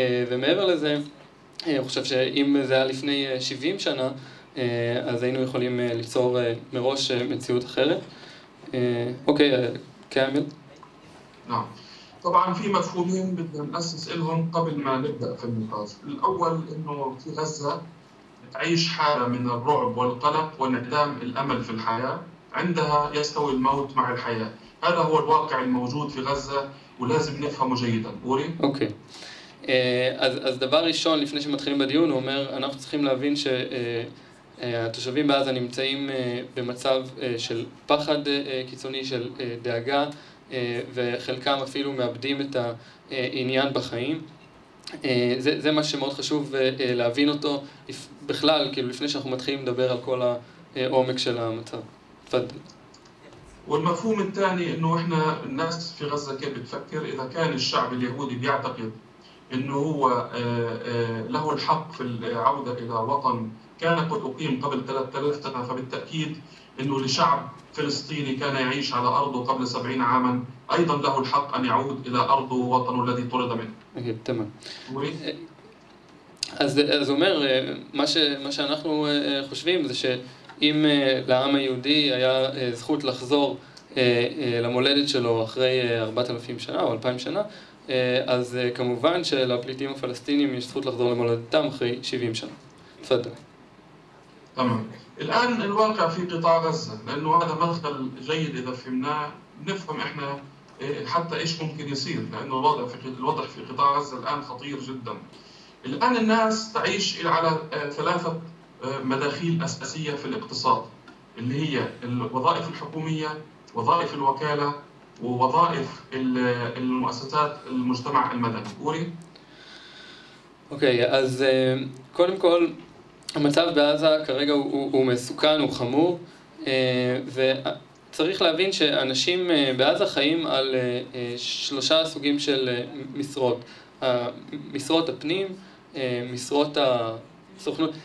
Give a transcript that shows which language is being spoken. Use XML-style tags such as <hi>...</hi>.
<he>ומעבר לזה, אני חושב שאם זה היה לפני 70 שנה, אז היינו יכולים ליצור מראש מציאות אחרת. אוקיי, קאמל.</he> <ar>طبعا في مفهومين بدنا نأسس لهم قبل ما نبدا في النقاش الاول انه في غزة تعيش حالة من الرعب والقلق وانعدام الامل في الحياة عندها يستوي الموت مع الحياة هذا هو الواقع الموجود في غزة ولازم نفهمه جيدا اوري</ar> <he>اوكي אז דבר ראשון לפני שמתחילים בדיון הוא אומר אנחנו צריכים להבין ש התושבים בעזה נמצאים במצב של פחד קיצוני של דאגה וחלקם אפילו מאבדים את העניין בחיים. זה מה שמאוד חשוב להבין אותו בכלל, כאילו לפני שאנחנו מתחילים לדבר על כל העומק של המצב.</he> <ar>תפדל. والمفهوم الثاني انه احنا الناس في غزة كيف بتفكر اذا كان الشعب اليهودي بيعتقد انه هو له الحق في العودة الى وطن كان قد اقيم قبل 3000 سنة فبالتأكيد انه لشعب فلسطيني كان يعيش على ارضه قبل 70 عاما ايضا له الحق ان يعود الى ارضه ووطنه الذي طرد منه</ar> <he>اوكي تمام אז אומר מה שאנחנו חושבים זה שאם לעם היהודי היה זכות לחזור למולדת שלו אחרי 4000 שנה או 2000 שנה אז כמובן שלפליטים הפלסטינים יש זכות לחזור למולדתם אחרי 70 שנה תפדל</he> <ar>تمام الان الواقع في قطاع غزه لانه هذا مدخل جيد اذا فهمناه نفهم احنا حتى ايش ممكن يصير لانه الوضع في قطاع غزه الان خطير جدا الان الناس تعيش على ثلاثه مداخيل اساسيه في الاقتصاد اللي هي الوظائف الحكوميه وظائف الوكاله ووظائف المؤسسات المجتمع المدني اوري</ar> <he>اوكي אז</he> <ar>كلهم كل</ar> <he>המצב בעזה כרגע הוא מסוכן, הוא חמור, וצריך להבין שאנשים בעזה חיים על שלושה סוגים של משרות. משרות הפנים, משרות הסוכנות.</he>